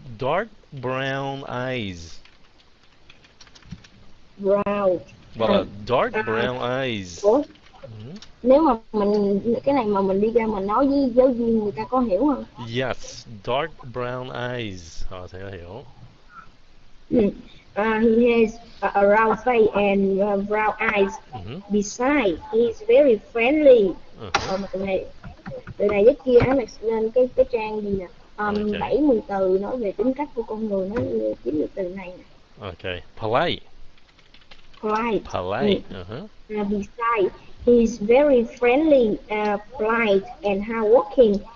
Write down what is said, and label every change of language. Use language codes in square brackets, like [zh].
[en] dark brown eyes. Brown. [vi] Hoặc là [en] dark brown eyes. [vi] Nếu mà mình cái này mà mình đi ra mình nói với giáo viên người ta có hiểu không? [en] Yes, dark brown eyes. [vi] Họ sẽ hiểu. [en] He has a round face and brown eyes. Besides, he's very friendly. [vi] Từ này với kia Alex lên cái trang gì nè. [en] Okay. [vi] 70 từ nói về tính cách của con người nó chính được từ này nè. [en] Okay. Polite. Polite. Polite. Besides, he's very friendly, polite and hardworking.